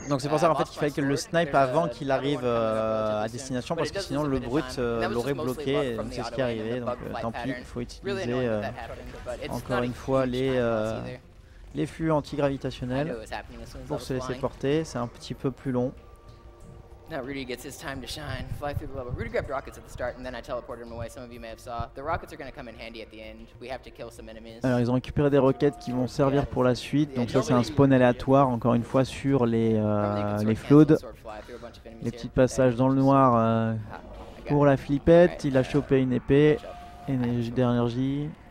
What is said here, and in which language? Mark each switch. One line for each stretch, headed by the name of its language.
French: Donc c'est pour ça en fait qu'il fallait que le snipe avant qu'il arrive à destination parce que sinon le brut l'aurait bloqué, donc c'est ce qui est arrivé, donc tant pis, il faut utiliser encore une fois les flux anti-gravitationnels pour se laisser porter, c'est un petit peu plus long.
English: Now Rudy gets his time to shine, fly through the level. Rudy grabbed rockets at the start and then I teleported him away, some of you may have saw. The rockets are going to come in handy at the end, we have to kill some enemies.
French: Alors ils ont récupéré des roquettes qui vont servir pour la suite, donc ça c'est un spawn aléatoire encore une fois sur les floods. Les petits passages dans le noir pour la flippette, il a chopé une épée, énergie d'énergie.